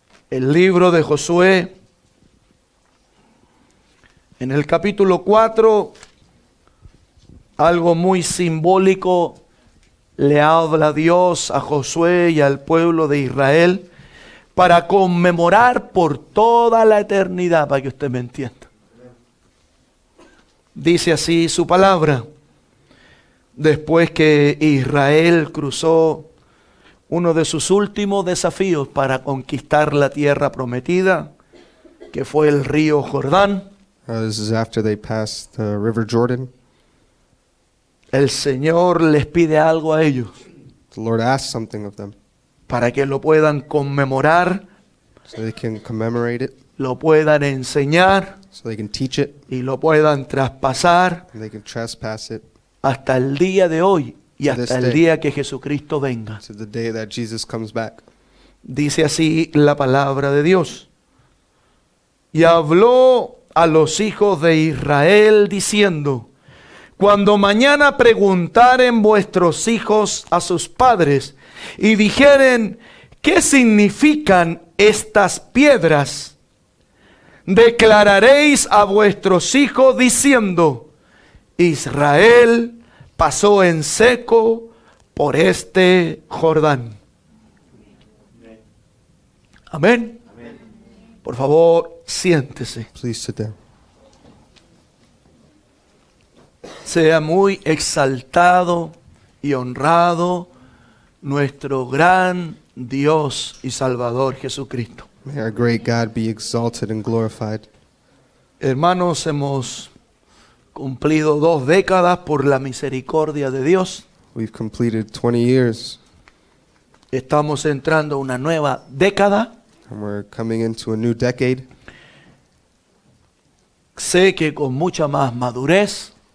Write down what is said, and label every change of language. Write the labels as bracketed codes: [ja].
[es] El libro de Josué, en el capítulo 4, algo muy simbólico le habla Dios a Josué y al pueblo de Israel para conmemorar por toda la eternidad, para que usted me entienda. Dice así su palabra, después que Israel cruzó uno de sus últimos desafíos para conquistar la tierra prometida, que fue el río Jordán. [en] This is after they passed the river Jordan. [es] El Señor les pide algo a ellos. [en] The Lord asks something of them. [es] Para que lo puedan conmemorar. [en] So they can commemorate it. [es] Lo puedan enseñar. [en] So they can teach it. [es] Y lo puedan traspasar. [en] And they can trespass it. [es] Hasta el día de hoy. Y hasta el día que Jesucristo venga. [en] To the day that Jesus comes back. [es] Dice así la palabra de Dios. Y habló a los hijos de Israel diciendo: cuando mañana preguntaren vuestros hijos a sus padres y dijeren: ¿qué significan estas piedras? Declararéis a vuestros hijos diciendo: Israel pasó en seco por este Jordán. Amén. Por favor, siéntese. [en] Please sit down. [es] Sea muy exaltado y honrado nuestro gran Dios y Salvador Jesucristo. [en] May our great God be exalted and glorified. [es] Hermanos, hemos cumplido 2 décadas por la misericordia de Dios. [en] We've completed 20 years. [es] Estamos entrando una nueva década. [en] And we're coming into a new decade. [es] Sé que con mucha más madurez.